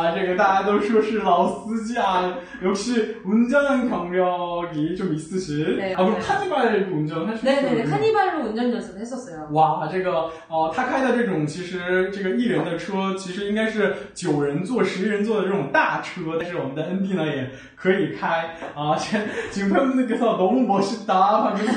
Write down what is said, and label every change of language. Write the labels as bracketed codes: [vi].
[zh] 最近这个老司机倒车的时候都不会这样回头看，都是会看，这样扑，这样扑，这样扑，看一下后方镜，然后看看前面的这个后方提示的这个视频啊，这个大家都说是老司机啊， [ko] 역시 운전 경력이 좀 있으시. 네. 아, 그럼 카니발 운전 하셨어요? 네네네, 카니발로 운전 연습을 했었어요. [zh] 와, 这个, 어, 他开的这种其实这个一人的车其实应该是九人座、十人座的这种大车。但是我们的 ND 呢也可以开啊，这景片们那个说 [ko] 너무 멋있다